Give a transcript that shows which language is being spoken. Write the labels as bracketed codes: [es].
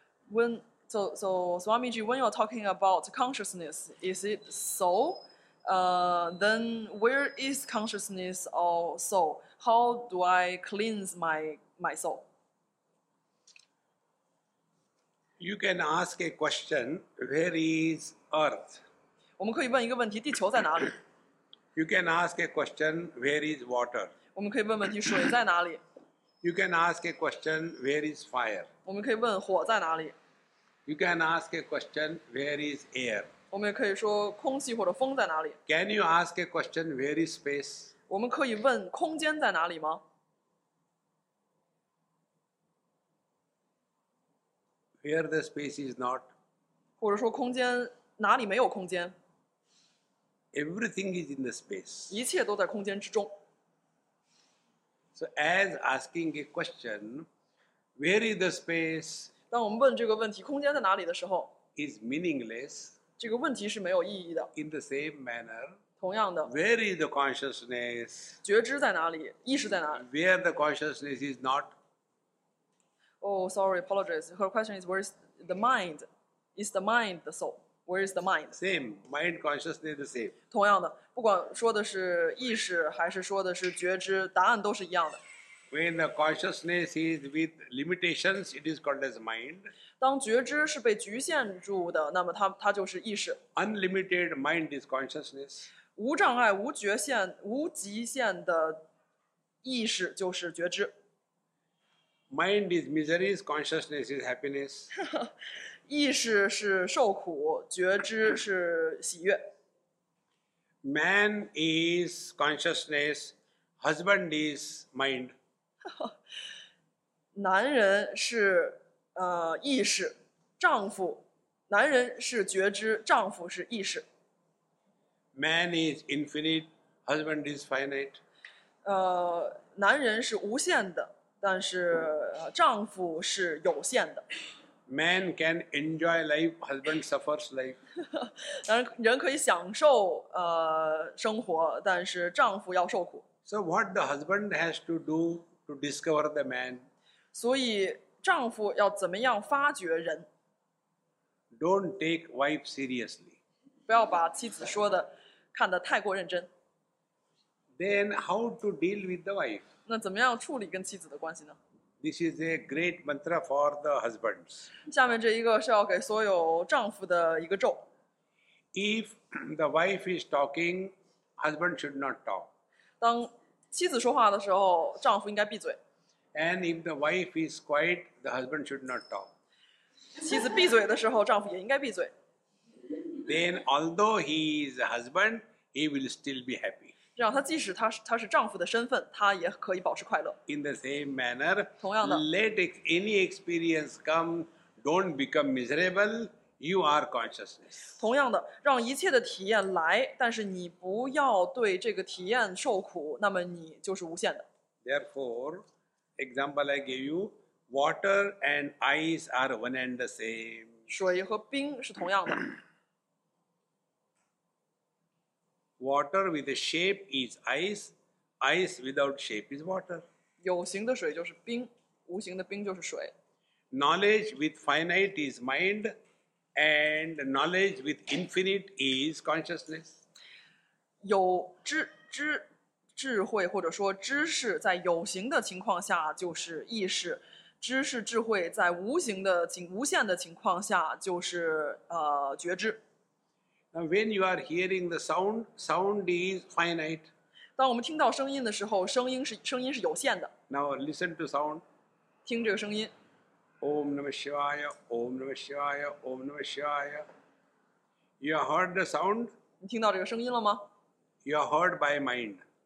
[en] When Swamiji, when you're talking about consciousness, is it soul? Then where is consciousness or soul? How do I cleanse my soul? You can ask a question, where is earth? [zh] 我们可以问一个问题，地球在哪里？ [en] You can ask a question, where is water? [zh] 我们可以问问题，水在哪里？ [en] You can ask a question, where is fire? [zh] 我们可以问火在哪里？ [en] You can ask a question, where is air? [zh] 我们也可以说空气或者风在哪里？ [en] Can you ask a question, where is space? [zh] 我们可以问空间在哪里吗？ [en] Where the space is not. [zh] 或者说空间哪里没有空间？ [en] Everything is in the space. [zh] 一切都在空间之中。 [en] So as asking a question, where is the space? [zh] 当我们问这个问题空间在哪里的时候， [en] is meaningless. [zh] 这个问题是没有意义的。 [en] In the same manner, [zh] 同样的 [en] ，Where is the consciousness? [zh] 觉知在哪里？意识在哪里 [en] ？Where the consciousness is not? Oh, sorry, apologize. Her question is, where is the mind? Is the mind the soul? Where is the mind? Same, mind consciousness the same. [zh] 同样的，不管说的是意识还是说的是觉知，答案都是一样的。 [en] When the consciousness is with limitations, it is called as mind. [zh] 当觉知是被局限住的，那么它就是意识。 [en] Unlimited mind is consciousness. [zh] 无障碍、无局限、无极限的意识就是觉知。 [en] Mind is misery, consciousness is happiness. [zh] 意识是受苦，觉知是喜悦。 [en] Man is consciousness, husband is mind. [zh] 男人是意识，丈夫，男人是觉知，丈夫是意识。 [en] Man is infinite, husband is finite. [zh] 男人是无限的，但是丈夫是有限的。 [en] Man can enjoy life, husband suffers life. [zh] 人可以享受生活，但是丈夫要受苦。 [en] So what the husband has to do to discover the man? [zh] 所以丈夫要怎么样发掘人？ [en] Don't take wife seriously. [zh] 不要把妻子说的看得太过认真。 [en] Then how to deal with the wife? [zh] 那怎么样处理跟妻子的关系呢？ [en] This is a great mantra for the husbands. [zh] 下面这一个是要给所有丈夫的一个咒。 [en] If the wife is talking, husband should not talk. [zh] 当妻子说话的时候，丈夫应该闭嘴。 [en] And if the wife is quiet, the husband should not talk. [zh] 妻子闭嘴的时候，丈夫也应该闭嘴。 [en] Then although he is a husband, he will still be happy. [zh] 这样，他即使他是丈夫的身份，他也可以保持快乐。 [en] In the same manner, [zh] 同样的 [en] ，Let any experience come, don't become miserable. You are consciousness. [zh] 同样的，让一切的体验来，但是你不要对这个体验受苦，那么你就是无限的。 [en] Therefore, example I gave you, water and ice are one and the same. [zh] 水和冰是同样的。 [en] Water with a shape is ice. Ice without shape is water. [zh] 有形的水就是冰，无形的冰就是水。 [en] Knowledge with finite is mind, and knowledge with infinite is consciousness. [zh] 有智慧或者说知识在有形的情况下就是意识，知识智慧在无形的无限的情况下就是觉知。 [en] Now, when you are hearing the sound, sound is finite. [zh] 当我们听到声音的时候，声音是有限的。 [en] Now listen to sound. [zh] 听这个声音。 [sa] Om Namah Shivaya, Om Namah Shivaya, Om Namah Shivaya. [en] You have heard the sound. [zh] 你听到这个声音了吗？ [en] You are heard by mind.